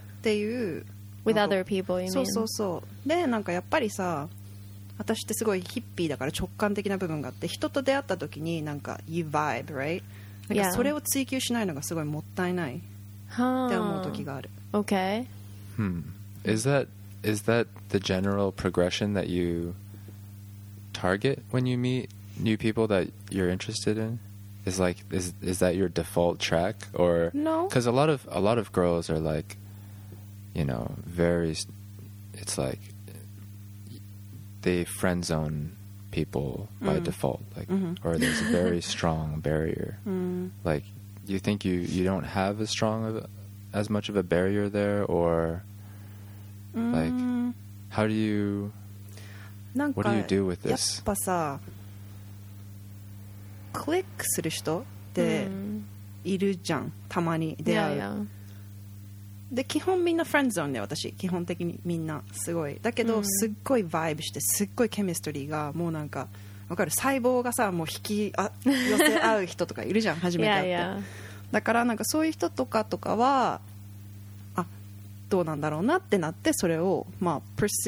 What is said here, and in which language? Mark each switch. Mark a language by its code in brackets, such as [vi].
[ja] っていう [en] with other people you mean [ja] そうそうそうでなんかやっぱりさ私ってすごいヒッピーだから直感的な部分があって人と出会った時になんか [en] you vibe right [ja] なんかそれを追求しないのがすごいもったいないって思う時がある、 [en] huh. okay is that the general progression that you target when you meet new people that you're interested in is like is that your default track or no? Because a lot of girls are like, you know, very. It's like they friend zone people by default, like, or there's a very strong barrier. Mm. Like, you think you don't have as strong of as much of a barrier there, or like, how do you? What do you do with this? [ja] クリックする人でいるじゃん、たまに出会う。で基本みんなフレンドゾーンで、私基本的にみんなすごいだけど、すっごいバイブして、すっごいケミストリーがもうなんかわかる、細胞がさもう引き寄せ合う人とかいるじゃん初めて会って、だからなんかそういう人とかはあどうなんだろうなってなって、それをまあプス